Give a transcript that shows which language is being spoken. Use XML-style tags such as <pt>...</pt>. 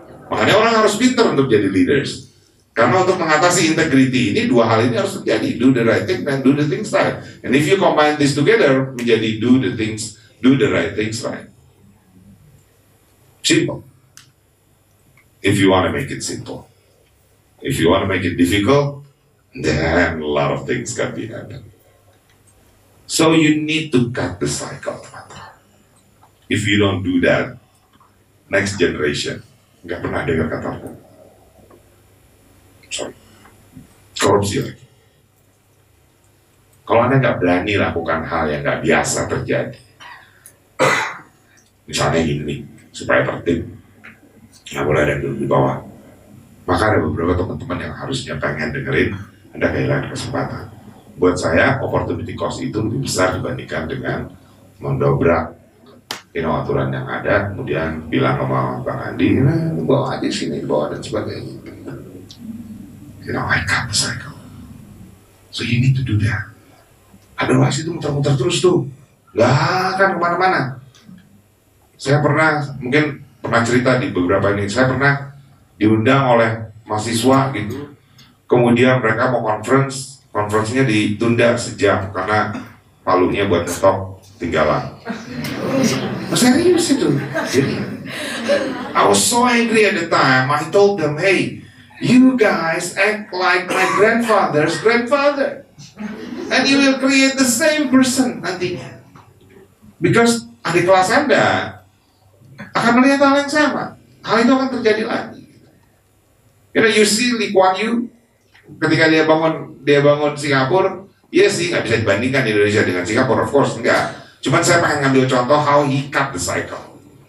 <id>Makanya orang harus pintar untuk jadi leaders. Karena untuk mengatasi integriti ini, dua hal ini harus terjadi.</id> <en>Do the right thing and do the things right. And if you combine this together,</en> <id>menjadi</id> <en>do the right things right. Simple. If you want to make it simple. If you want to make it difficult, then a lot of things can be happen. So you need to cut the cycle. If you don't do that, next generation,</en> <id>gak pernah dengar kata aku.</id> <en>Sorry.</en> <id>Korupsi lagi. Kalau Anda gak berani lakukan hal yang gak biasa terjadi, misalnya gini nih, supaya tertib, gak boleh ada yang duduk di bawah, maka ada beberapa teman-teman yang harusnya pengen dengerin, Anda kehilangan kesempatan. Buat saya, opportunity cost itu lebih besar dibandingkan dengan mendobrak aturan yang ada, kemudian bilang sama Bang Andi, nah, bawa aja sini, bawa dan sebagainya.</id> <en>You know, I cut the cycle. So you need to do that.</en> <id>Otherwise itu muter-muter terus tuh. Gak akan kemana-mana. Saya pernah, mungkin pernah cerita di beberapa ini, saya pernah diundang oleh mahasiswa gitu. Kemudian mereka mau conference, conference-nya ditunda sejam karena palunya buat stok tinggalan. Serius itu.</id> <en>I was so angry at the time, I told them, hey, you guys act like my grandfather's grandfather. And you will create the same person nantinya.</en> <id>Because adik kelas Anda akan melihat hal yang sama. Hal itu akan terjadi lagi.</id> <en>You know, you see</en> <id>Lee Kuan Yew, ketika dia bangun Singapura, iya sih, gak bisa dibandingkan Indonesia dengan Singapura,</id> <en>of course,</en> <id>enggak. Cuma saya pengen ngambil contoh</id> <en>how he cut the cycle.</en>